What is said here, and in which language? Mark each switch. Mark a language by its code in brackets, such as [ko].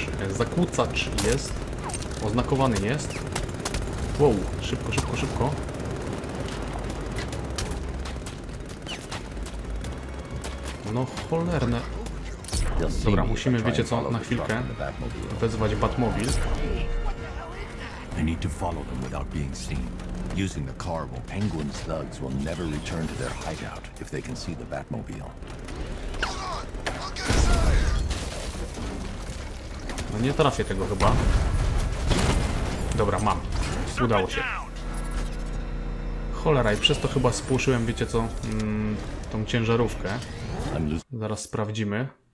[pl] Zakłócacz jest. Oznakowany jest. Wow, szybko, szybko, szybko. No cholerne. Dobra, musimy, wiecie co, na chwilkę wezwać Batmobil. [en] I need to follow them without being seen. Using the car while Penguin's thugs will never return to their hideout if they can see the Batmobile. [pl] No nie trafię tego chyba. Dobra, mam. Udało się. Cholera, i przez to chyba spłoszyłem, wiecie co, tą ciężarówkę. Zaraz sprawdzimy.